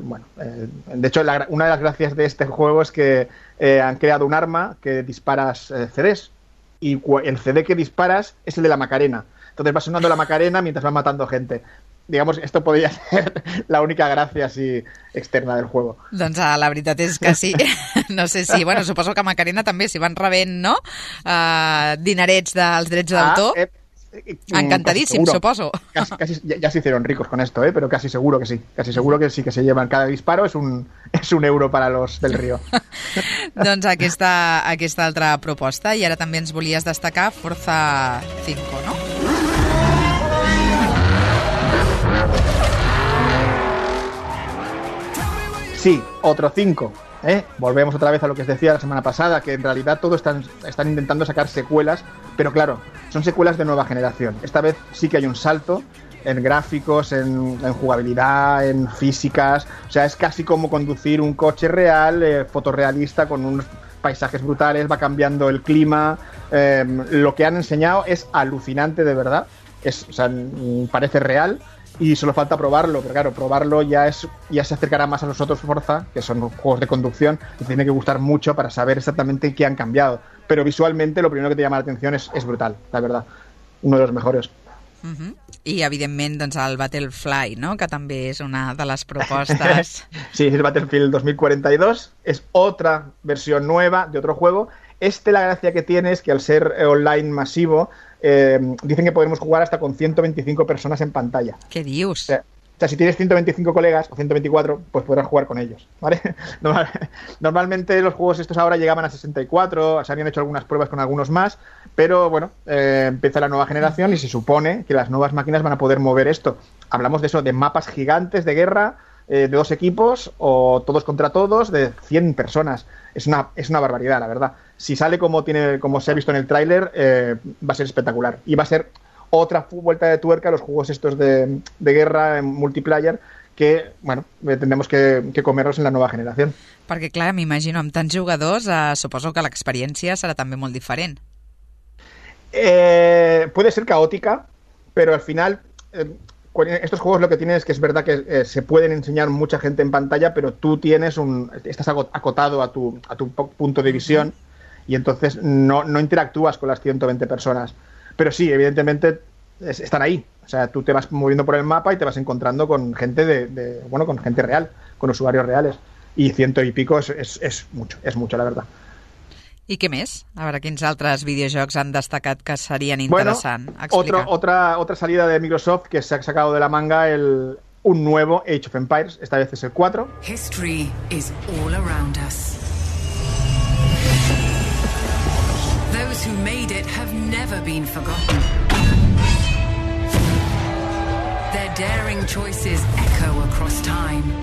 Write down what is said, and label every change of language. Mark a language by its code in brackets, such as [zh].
[es] Bueno, de hecho, una de las gracias de este juego es que han creado un arma que disparas CDs y el CD que disparas es el de la Macarena. Entonces va sonando la Macarena mientras va matando gente. Digamos, esto podría ser la única gracia así externa del juego. [ca] Doncs la veritat és que sí. No sé si... Bueno, suposo que Macarena també, si van rebent, no? Dinerets dels drets d'autor. Encantadíssim, suposo. [es] Casi, ja se hicieron ricos con esto, però casi seguro que sí. Casi seguro que sí que se llevan cada disparo. Es un euro para los del río. [ca] Doncs aquesta altra proposta. I ara també ens volies destacar Forza 5, no? [es] Sí, otro 5. Volvemos otra vez a lo que os decía la semana pasada, que en realidad todos están intentando sacar secuelas, pero claro, son secuelas de nueva generación. Esta vez sí que hay un salto en gráficos, en jugabilidad, en físicas. O sea, es casi como conducir un coche real, fotorrealista, con unos paisajes brutales, va cambiando el clima. Lo que han enseñado es alucinante, de verdad. O sea, parece real. Y solo falta probarlo, pero claro, probarlo ya se acercará más a nosotros Forza, que son juegos de conducción, y tiene que gustar mucho para saber exactamente qué han cambiado. Pero visualmente lo primero que te llama la atención es brutal, la verdad. Uno de los mejores. [ca] Uh-huh. I evidentment doncs el Battlefly, no? Que també és una de les propostes. Sí, el Battlefield 2042 és otra versió nova d'altre juego. [es] Este, la gracia que tiene es que al ser online masivo, dicen que podemos jugar hasta con 125 personas en pantalla. ¿Qué dios? O sea, si tienes 125 colegas o 124, pues podrás jugar con ellos, ¿vale? Normalmente los juegos estos ahora llegaban a 64, se habían hecho algunas pruebas con algunos más, pero bueno, empieza la nueva generación y se supone que las nuevas máquinas van a poder mover esto. Hablamos de eso, de mapas gigantes de guerra, de dos equipos o todos contra todos, de 100 personas. Es una barbaridad, la verdad. Si sale como se ha visto en el tráiler, va a ser espectacular. Y va a ser otra vuelta de tuerca a los juegos estos de guerra en multiplayer que, bueno, tendremos que comerlos en la nueva generación. [ca] Perquè, clar, m'imagino, amb tants jugadors, suposo que l'experiència serà també molt diferent. [es] Puede ser caótica, pero al final... estos juegos lo que tienen es que es verdad que se pueden enseñar mucha gente en pantalla, pero tú estás acotado a tu punto de visión y entonces no interactúas con las 120 personas. Pero sí, evidentemente están ahí. O sea, tú te vas moviendo por el mapa y te vas encontrando con gente con gente real, con usuarios reales. Y ciento y pico es mucho, la verdad. [ca] ¿I què més? A veure, quins altres videojocs han destacat que serien interessant explicar. [es] Bueno, otra salida de Microsoft que se ha sacado de la manga un nuevo Age of Empires, esta vez es el 4. [en] History is all around us. Those who made it have never been forgotten. Their daring choices echo across time.